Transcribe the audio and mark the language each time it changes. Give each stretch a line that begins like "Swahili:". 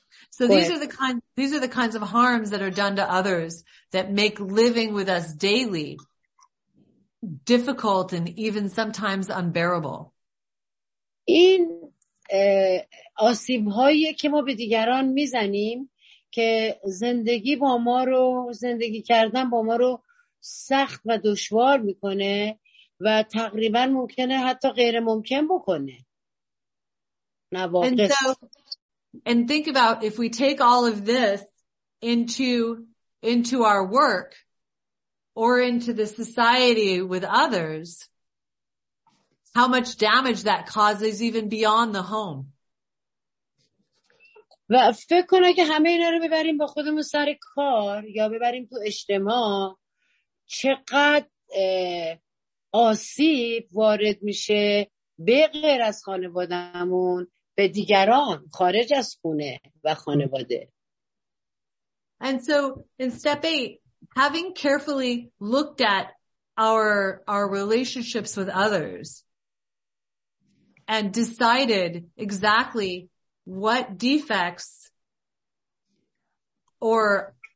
English: So these are the kinds of harms that are done to others that make living with us daily difficult and even sometimes unbearable.
Persian: این آسیب‌هایی که ما به دیگران می‌زنیم که زندگی با ما رو زندگی کردن با ما رو سخت و دشوار می‌کنه و تقریبا ممکنه حتی غیر ممکن بکنه.
English: And think about if we take all of this into our work or into the society with others, how much damage that causes even beyond the home.
Persian: و فکر کنه که همه اینا رو ببریم با خودمون سر کار یا ببریم تو اجتماع چقدر آسیب وارد میشه به غیر از خانوادهمون به دیگران خارج از خونه و خانواده.
English: And so in step 8, having carefully looked at our relationships with others and decided exactly what defects or